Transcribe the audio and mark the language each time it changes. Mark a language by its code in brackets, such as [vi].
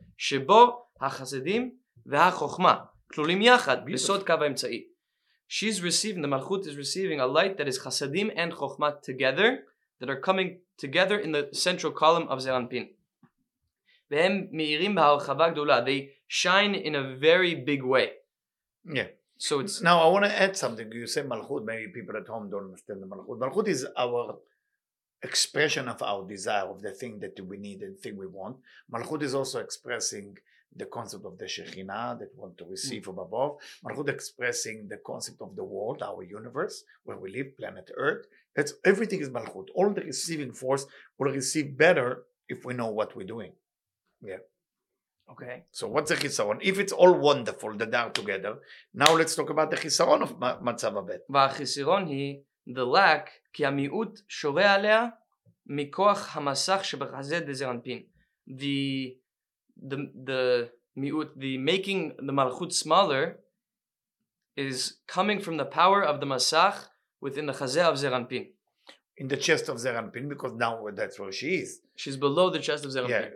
[he] שבו החסדים והחוכמה כלולים יחד, בסוד קו האמצעי. [en] She's receiving, the Malchut is receiving a light that is Chasadim and Chochmah together, that are coming together in the central column of Zeranpin. V'hem mi'irim b'harchava gdola. They shine in a very big way. Yeah. So it's... Now, I want to add something. You say Malchut, maybe people at home don't understand the Malchut. Malchut is our expression of our desire, of the thing that we need and thing we want. Malchut is also expressing the concept of the Shekhinah that want to receive from above. Malchut expressing the concept of the world, our universe, where we live, planet Earth. That's everything is Malchut. All the receiving force will receive better if we know what we're doing. Yeah. Okay. So what's the Chisaron? If it's all wonderful, the Dar together, now let's talk about the Chisaron of Matzav Abed. [he] והחיסרון היא, the lack, כי המיעוט שורה עליה מכוח המסך שבחזה דזרנפין. [en] The making the Malchut smaller is coming from the power of the Masach within the Chazeh of Zeranpin. In the chest of Zeranpin, because now that's where she is. She's below the chest of Zeranpin.